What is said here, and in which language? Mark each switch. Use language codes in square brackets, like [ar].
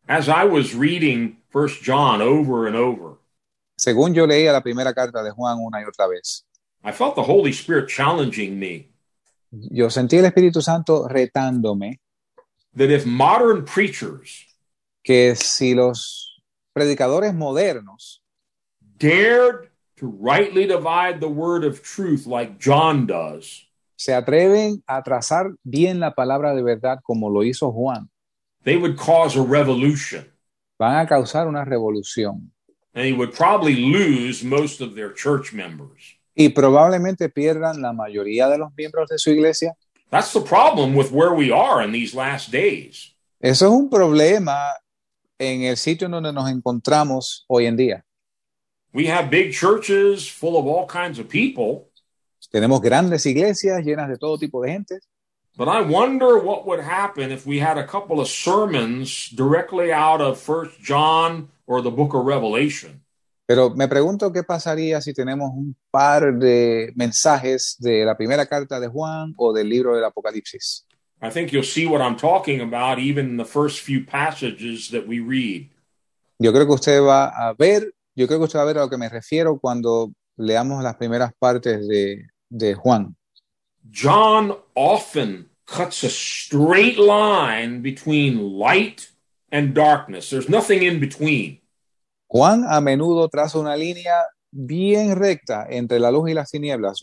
[en] As I was reading 1 John over and over, [es] según yo leía la primera carta de Juan una y otra vez, [en] I felt the Holy Spirit challenging me. [es] Yo sentí el Espíritu Santo retándome. [en] That if modern preachers, [es] que si los predicadores modernos, [en] dared to rightly divide the word of truth like John does, [es] se atreven a trazar bien la palabra de verdad como lo hizo Juan, [en] they would cause a revolution. [es] Van a causar una revolución. [en] And he would probably lose most of their church members. [es] Y probablemente pierdan la mayoría de los miembros de su iglesia. [en] That's the problem with where we are in these last days. [es] Eso es un problema en el sitio donde nos encontramos hoy en día. [en] We have big churches full of all kinds of people. [es] Tenemos grandes iglesias llenas de todo tipo de gente. [en] But I wonder what would happen if we had a couple of sermons directly out of 1 John or the book of Revelation. [es] Pero me pregunto qué pasaría si tenemos un par de mensajes de la primera carta de Juan o del libro del Apocalipsis. [en] I think you'll see what I'm talking about even in the first few passages that we read. [es] Yo creo que usted va a ver a lo que me refiero cuando leamos las primeras partes de Juan. [en] John often cuts a straight line between light and darkness. There's nothing in between. [es] Juan a menudo traza una línea bien recta entre la luz y las tinieblas.